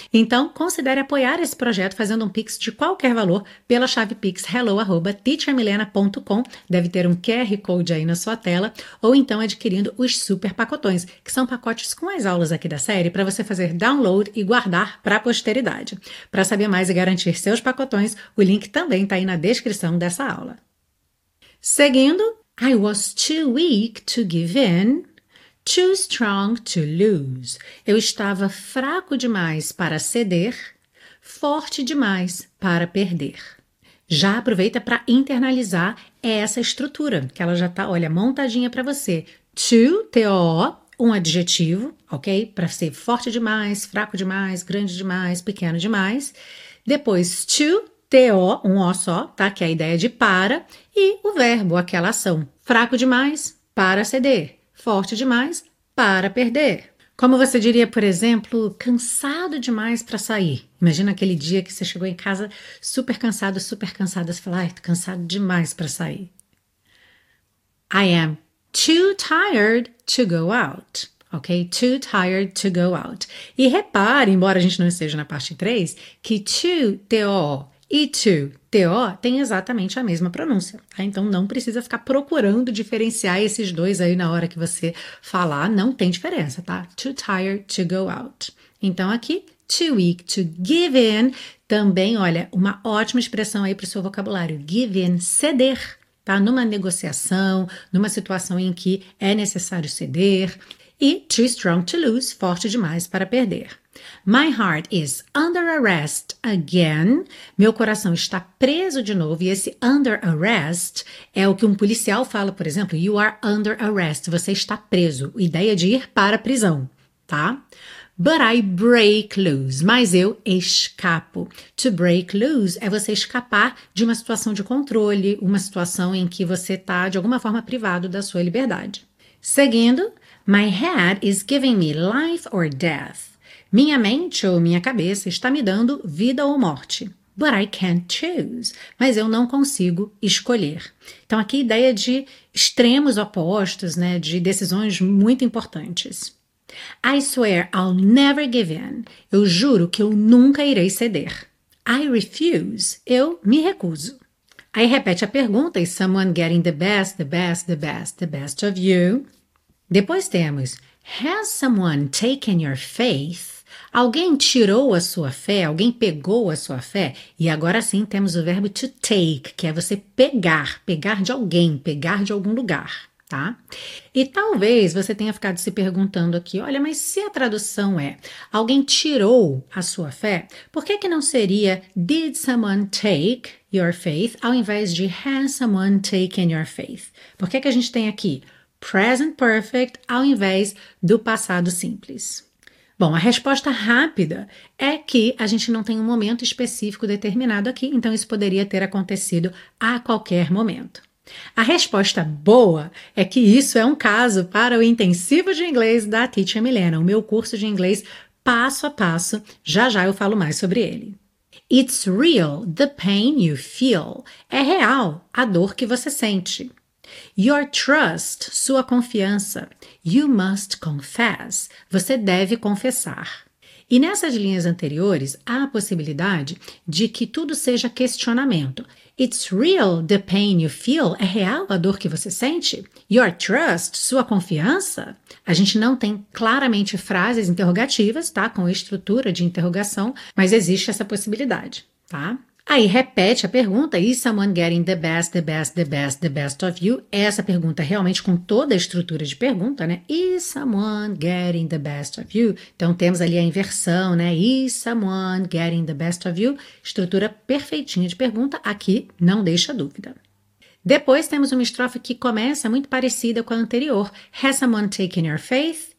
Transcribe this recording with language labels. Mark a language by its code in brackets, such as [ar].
[pt] Então, considere apoiar esse projeto fazendo um Pix de qualquer valor pela chave Pix hello@teachermilena.com. Deve ter um QR Code aí na sua tela. Ou então adquirindo os super pacotões, que são pacotes com as aulas aqui da série para você fazer download e guardar para a posteridade. Para saber mais e garantir seus pacotões, o link também está aí na descrição dessa aula. Seguindo, [en] I was too weak to give in, too strong to lose. [pt] Eu estava fraco demais para ceder, forte demais para perder. Já aproveita para internalizar essa estrutura, que ela já está, olha, montadinha para você. Too, um adjetivo, ok? Para ser forte demais, fraco demais, grande demais, pequeno demais. Depois, too, um O só, tá? Que é a ideia de para. E o verbo, aquela ação. Fraco demais, para ceder. Forte demais, para perder. Como você diria, por exemplo, cansado demais para sair. Imagina aquele dia que você chegou em casa super cansado, super cansada. Você fala, ai, tô cansado demais para sair. [en] I am too tired to go out. Ok? Too tired to go out. [pt] E repare, embora a gente não esteja na parte 3, que too e too tem exatamente a mesma pronúncia. Tá? Então não precisa ficar procurando diferenciar esses dois aí na hora que você falar. Não tem diferença, tá? [en] Too tired to go out. [pt] Então aqui, [en] too weak to give in. [pt] Também, olha, uma ótima expressão aí para o seu vocabulário. Give in, ceder. Tá? Numa negociação, numa situação em que é necessário ceder. E [en] too strong to lose, [pt] forte demais para perder. [en] My heart is under arrest again. [pt] Meu coração está preso de novo. E esse under arrest é o que um policial fala, por exemplo, [en] you are under arrest. [pt] Você está preso. Ideia de ir para a prisão, tá? [en] But I break loose. [pt] Mas eu escapo. To break loose é você escapar de uma situação de controle, uma situação em que você está, de alguma forma, privado da sua liberdade. Seguindo, [en] my head is giving me life or death. [pt] Minha mente ou minha cabeça está me dando vida ou morte. [en] But I can't choose. [pt] Mas eu não consigo escolher. Então, aqui, ideia de extremos opostos, né? De decisões muito importantes. [en] I swear I'll never give in. [pt] Eu juro que eu nunca irei ceder. [en] I refuse. [pt] Eu me recuso. Aí, repete a pergunta. [en] Is someone getting the best, the best, the best, the best of you? [pt] Depois temos. [en] Has someone taken your faith? [pt] Alguém tirou a sua fé? Alguém pegou a sua fé? E agora sim temos o verbo to take, que é você pegar, pegar de alguém, pegar de algum lugar, tá? E talvez você tenha ficado se perguntando aqui, olha, mas se a tradução é alguém tirou a sua fé, por que que não seria [en] did someone take your faith [pt] ao invés de [en] has someone taken your faith? [pt] Por que que a gente tem aqui present perfect ao invés do passado simples? Bom, a resposta rápida é que a gente não tem um momento específico determinado aqui, então isso poderia ter acontecido a qualquer momento. A resposta boa é que isso é um caso para o intensivo de inglês da Teacher Milena, o meu curso de inglês passo a passo. Já já eu falo mais sobre ele. [en] It's real, the pain you feel. [pt] É real a dor que você sente. [en] Your trust, [pt] sua confiança. [en] You must confess. [pt] Você deve confessar. E nessas linhas anteriores, há a possibilidade de que tudo seja questionamento. [en] It's real the pain you feel? [pt] É real a dor que você sente? [en] Your trust, [pt] sua confiança? A gente não tem claramente frases interrogativas, tá? Com estrutura de interrogação, mas existe essa possibilidade, tá? Aí repete a pergunta: [en] Is someone getting the best, the best, the best, the best of you? [pt] Essa pergunta realmente com toda a estrutura de pergunta, né? [en] Is someone getting the best of you? [pt] Então temos ali a inversão, né? [en] Is someone getting the best of you? [pt] Estrutura perfeitinha de pergunta, aqui não deixa dúvida. Depois temos uma estrofe que começa muito parecida com a anterior: [en] Has someone taken your faith?